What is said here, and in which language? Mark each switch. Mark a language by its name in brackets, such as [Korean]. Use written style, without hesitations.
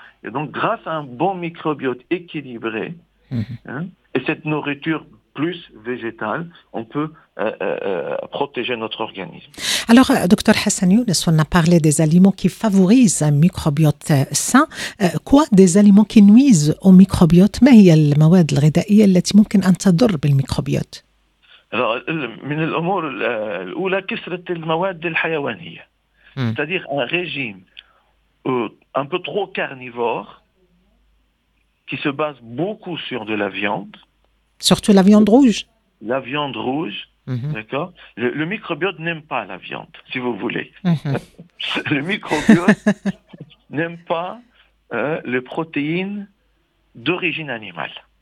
[French] Et donc, grâce à un bon microbiote équilibré, et cette nourriture plus végétale, on peut protéger notre organisme. Alors, docteur Hassan Younes, on a parlé des aliments qui favorisent un microbiote sain. Quoi des aliments qui nuisent au microbiote ? [Arabic] Ma hiya al-mawad al-ghidaiya allati mumkin an tadur bil microbiote ? Alors, من الأمور الأولى كثرة المواد الحيوانية. [French] C'est-à-dire un régime un peu trop carnivore qui se base beaucoup sur de la viande. Surtout la viande rouge. La viande rouge, d'accord. Le microbiote n'aime pas la viande, si vous voulez. Le microbiote n'aime pas les protéines d'origine animale.